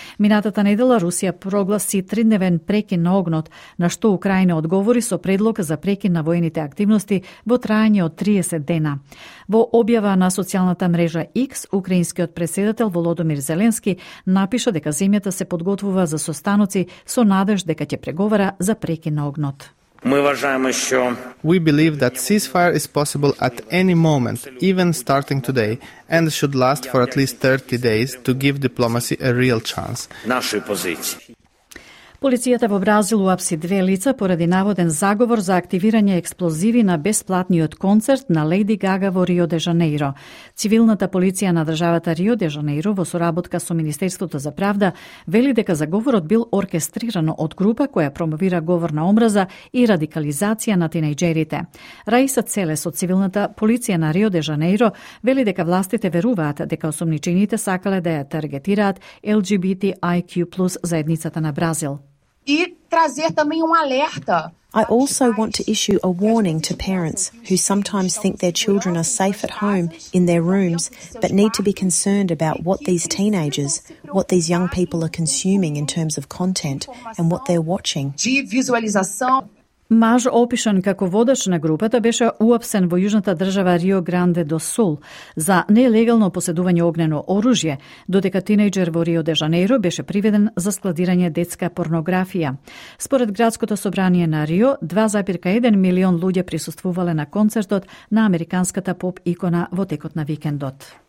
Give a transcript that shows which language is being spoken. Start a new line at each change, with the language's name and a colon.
Macedonian: Минатата недела Русија прогласи 3-дневен прекин на огнот, на што Украина одговори со предлог за прекин на воените активности во траење од 30 дена. Во објава на социјалната мрежа X, украинскиот председател Володимир Зеленски напиша дека земјата се подготвува за состаноци со надеж дека ќе преговара за прекин на огнот.
English: We believe that ceasefire is possible at any moment, even starting today, and should last for at least 30 days to give diplomacy a real chance.
Macedonian: Полицијата во Бразил уапси 2 лица поради наводен заговор за активирање експлозиви на бесплатниот концерт на Леди Гага во Рио де Жанейро. Цивилната полиција на државата Рио де Жанейро во соработка со Министерството за правда вели дека заговорот бил оркестриран од група која промовира говор на омраза и радикализација на тинејџерите. Раиса Целес од цивилната полиција на Рио де Жанейро вели дека властите веруваат дека осумничените сакале да ја таргетираат LGBTIQ+ заедницата на Бразил.
English: I also want to issue a warning to parents who sometimes think their children are safe at home in their rooms, but need to be concerned about what these teenagers, what these young people are consuming in terms of content and what they're watching.
Macedonian: Маж опишан како водач на групата беше уапсен во јужната држава Рио Гранде до Сул за нелегално поседување огнено оружје, додека тинејџер во Рио де Жанейро беше приведен за складирање детска порнографија. Според градското собрание на Рио, 2,1 милион луѓе присуствувале на концертот на американската поп икона во текот на викендот.